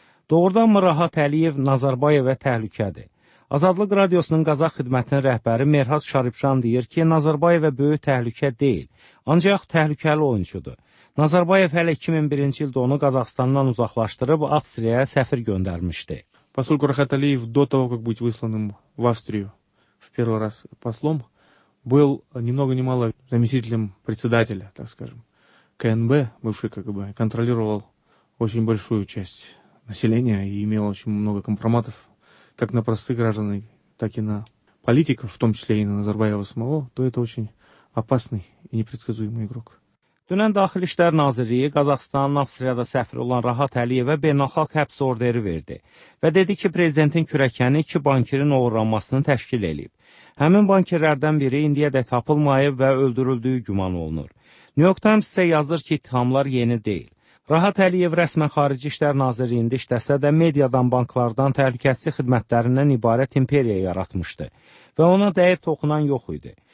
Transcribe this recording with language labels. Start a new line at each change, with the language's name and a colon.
Azerbaijani: Doğrudan mı Rahat Əliyev Nazarbayevə təhlükədir? Azadlıq Radiosunun Qazaq xidmətinin rəhbəri Merhad Şaribşan deyir ki, Nazarbayev böyük təhlükə deyil, ancaq təhlükəli oyunçudur. Nazarbayev hələ 2001-ci ildə onu Qazaxıstandan uzaqlaşdırıb Avstriyaya səfir göndərmişdi.
Russian: Посол Рахат Алиев до того, как быть высланным в Австрию в первый раз послом, был ни много ни мало заместителем председателя, так скажем, КНБ, бывший КГБ, контролировал очень большую часть населения и имел очень много компроматов как на простых граждан, так и на политиков, в том числе и на Назарбаева самого, то это очень опасный и непредсказуемый игрок.
Azerbaijani: Dünən Daxili İşlər Nazirliyi Qazaxıstanın Avstriyada səfiri olan Rahat Əliyevə beynəlxalq həbs orderi verdi və dedi ki, prezidentin kürəkəni iki bankirin oğurlanmasını təşkil edib. Həmin bankirlərdən biri indiyə də tapılmayıb və öldürüldüyü güman olunur. New York Times isə yazır ki, ittihamlar yeni deyil. Rahat Əliyev rəsmən Xarici İşlər Nazirliyində işləsə də mediadan, banklardan, təhlükəsizlik xidmətlərindən ibarət imperiya yaratmışdı və ona dəyib toxunan yox idi.